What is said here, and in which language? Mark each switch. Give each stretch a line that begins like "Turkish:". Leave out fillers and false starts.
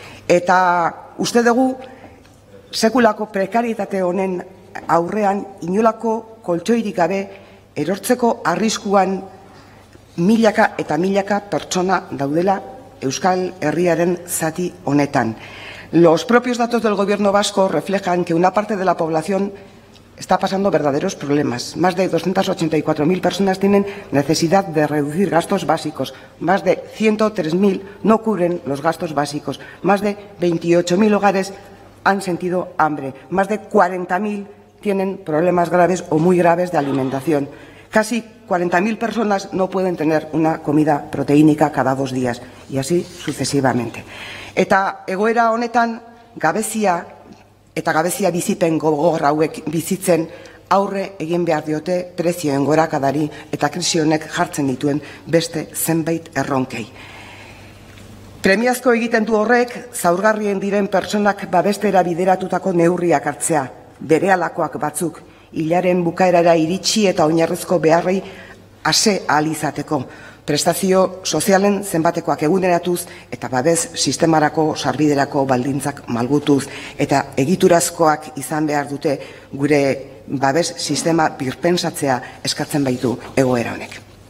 Basque: Eta uste dugu, sekulako prekarietate honen aurrean, inolako koltxoirik gabe erortzeko arriskuan milaka eta milaka pertsona daudela Euskal Herriaren zati honetan.
Spanish: Los propios datos del Gobierno Vasco reflejan que una parte de la población está pasando verdaderos problemas. Más de 284.000 personas tienen necesidad de reducir gastos básicos. Más de 103.000 no cubren los gastos básicos. Más de 28.000 hogares han sentido hambre. Más de 40.000 tienen problemas graves o muy graves de alimentación. Casi 40.000 personas no pueden tener una comida proteínica cada 2 días, y así sucesivamente.
Basque: Eta egoera honetan, gabezia eta gabezia bizipen gogor hauek bizitzen aurre egin behar diote prezioen gorakadari eta krisi honek jartzen dituen beste zenbait erronkei. Premiazko egiten du horrek zaurgarrien diren pertsonak babestera bideratutako neurriak hartzea, berehalakoak batzuk, hilaren bukaerara iritsi eta oinarrizko beharrei ase ahal izateko, prestazio sozialen zenbatekoak eguneratuz eta babes sistemarako sarbiderako baldintzak malgutuz, eta egiturazkoak izan behar dute gure babes sistema birpensatzea eskatzen baitu egoera honek.